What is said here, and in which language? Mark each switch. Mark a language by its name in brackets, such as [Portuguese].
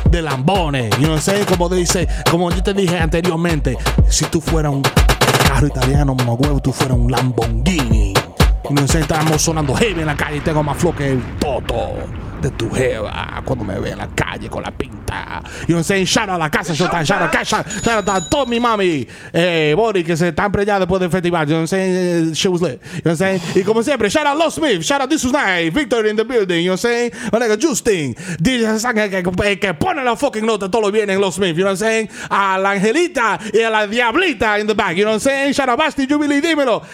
[Spanish] De lambones, [English] you know what I'm saying? [Spanish] Como dice, como yo te dije anteriormente, si tú fueras un carro italiano, mamá huevo, tú fueras un Lamborghini, you know what I'm saying? Estamos sonando heavy en la calle y tengo más flow que el Toto. De tu jeva cuando me ve en la calle con la pinta. [English] You know what I'm saying? Shout out [Spanish] a la casa, [English] shout out, shout out, shout out a todo mi mami. [Spanish] Body, que se están preñando después del festival. [English] You know what I'm saying? She was lit. You know what I'm saying? [Spanish] Y como siempre, [English] shout out Los Smith, shout out This Was Night, Victor in the building. You know what I'm saying? [Spanish] My nigga Justin, DJ Sangre, que pone la fucking nota, todo lo viene en Los Smith. You know what I'm saying? A la Angelita y a la Diablita in the back. [English] You know what I'm saying? [Spanish] Shout out Basti, Jubilee, dímelo.